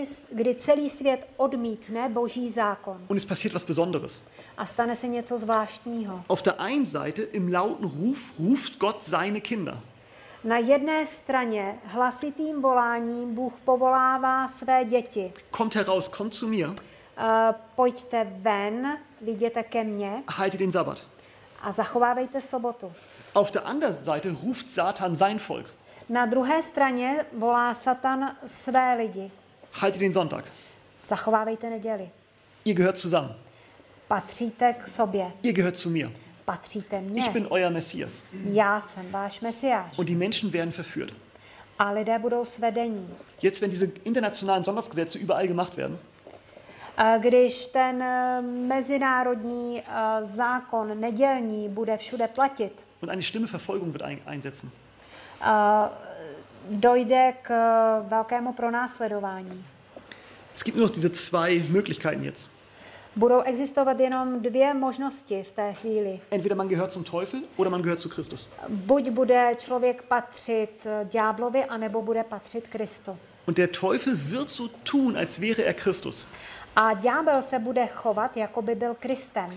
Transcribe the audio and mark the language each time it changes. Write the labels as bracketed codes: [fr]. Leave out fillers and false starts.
[cs] Kdy celý svět odmítne Boží zákon. [de] Und es passiert was Besonderes. [cs] A stane se něco zvláštního. [de] Auf der einen Seite im lauten Ruf ruft Gott seine Kinder. [cs] Na jedné straně hlasitým voláním Bůh povolává své děti. [de] Kommt heraus, kommt zu mir. [cs] Pojďte ven, jděte ke mně. [de] Halte den Sabbat. [cs] A zachovávejte sobotu. [de] Auf der anderen Seite ruft Satan sein Volk. [cs] Na druhé straně volá Satan své lidi. [de] Halte den Sonntag. [cs] Zachovávejte neděli. [de] Ihr gehört zusammen. [cs] Patříte k sobě. [de] Ihr gehört zu mir. [cs] Patříte mně. [de] Ich bin euer Messias. [cs] Já jsem váš Mesiáš. [de] Und die Menschen werden verführt. [cs] A lidé budou svedení. [de] Jetzt, wenn diese internationalen Sondergesetze überall gemacht werden, [cs] když ten mezinárodní zákon nedělní bude všude platit, [de] und eine schlimme Verfolgung wird einsetzen, [cs] dojde k velkému pronásledování. [de] Es gibt nur noch diese zwei Möglichkeiten jetzt. [cs] Budou existovat jenom dvě možnosti v té chvíli. [de] Entweder man gehört zum Teufel oder man gehört zu Christus. [cs] Buď bude člověk patřit ďáblovi, anebo bude patřit Kristu. [de] Und der Teufel wird so tun, als wäre er Christus. [cs] A ďábel se bude chovat, jako by byl Kristem.